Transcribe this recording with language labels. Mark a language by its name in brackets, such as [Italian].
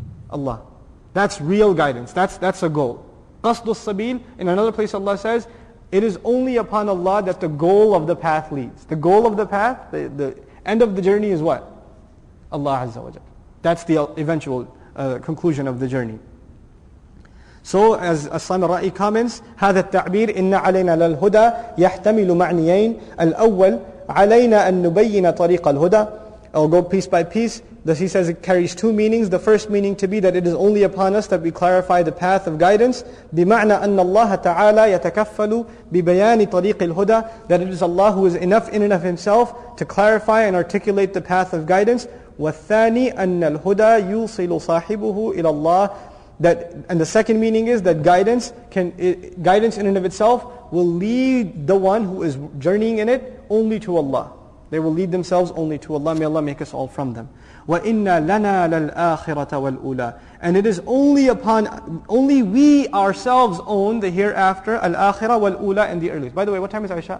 [English] Allah. That's real guidance. That's a goal. [Arabic] قَصْدُ السَّبِيلِ. [English] In another place Allah says, it is only upon Allah that the goal of the path leads. The goal of the path, the end of the journey is what? Allah Azza wa Jalla. That's the eventual conclusion of the journey. So as Aslam al-Ra'i comments, [Arabic] هذا التعبير إن علينا للهدى يحتمل معنيين. الأول علينا أن نبين طريق الهدى. [English] I'll go piece by piece. Thus he says it carries two meanings. The first meaning to be that it is only upon us that we clarify the path of guidance. [Arabic] بمعنى أن الله تعالى يتكفل ببيان طريق الهدى. [English] That it is Allah who is enough in and of Himself to clarify and articulate the path of guidance. [Arabic] والثاني أن الهدى يوصل صاحبه إلى الله. [English] That, and the second meaning is that guidance in and of itself will lead the one who is journeying in it only to Allah. They will lead themselves only to Allah. May Allah make us all from them. [Arabic] وَإِنَّ لَنَا لَلْآخِرَةَ وَالْأُولَى. [English] And it is only we ourselves own the hereafter, [Arabic] الْآخِرَةَ وَالْأُولَى, [English] and the earliest. By the way, what time is Aisha?